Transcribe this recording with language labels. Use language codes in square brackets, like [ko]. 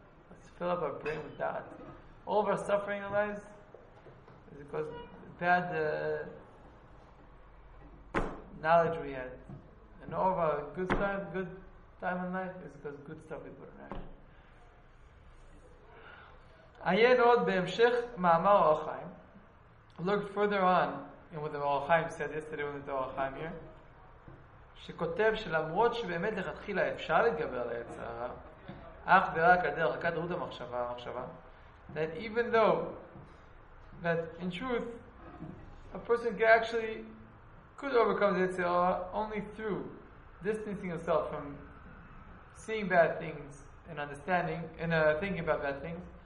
[en] Let's fill up our brain with da'at. All of our suffering in lives is because bad knowledge we had. And all of our good time in life is because good stuff we put in our life. [he] עיין עוד בהמשך מאמר אור החיים. [en] Look further on in what the אור החיים said yesterday with the אור החיים here. [he] שכותב שלמרות שבאמת לכתחילה אפשר להתגבר על היצר הרע, אך ורק על דרך הדרות המחשבה, [en] that even though that in truth a person can actually could overcome the Yetzirah only through distancing himself from seeing bad things and understanding and thinking about bad things.